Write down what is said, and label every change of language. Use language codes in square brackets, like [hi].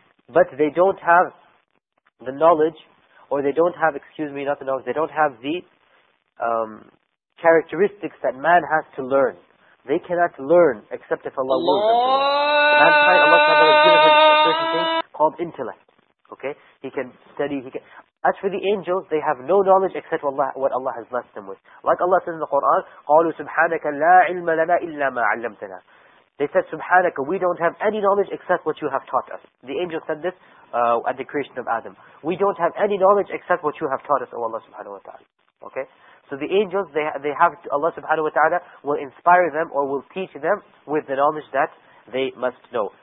[en] But they don't have the knowledge, or they don't have, excuse me, not the knowledge, they don't have the characteristics that man has to learn. They cannot learn except if Allah wills them to learn. Mankind, Allah subhanahu wa ta'ala has given them certain things called intellect. Okay? He can study, he can... As for the angels, they have no knowledge except what Allah has blessed them with. Like Allah says in the Quran, [ar] قَالُوا سُبْحَانَكَ لَا عِلْمَ لَنَا إِلَّا مَا عَلَّمْتَنَا. [en] They said, Subhanaka, we don't have any knowledge except what you have taught us. The angel said this at the creation of Adam. We don't have any knowledge except what you have taught us, O Allah subhanahu wa ta'ala. Okay? So the angels, they have, Allah subhanahu wa ta'ala will inspire them or will teach them with the knowledge that they must know.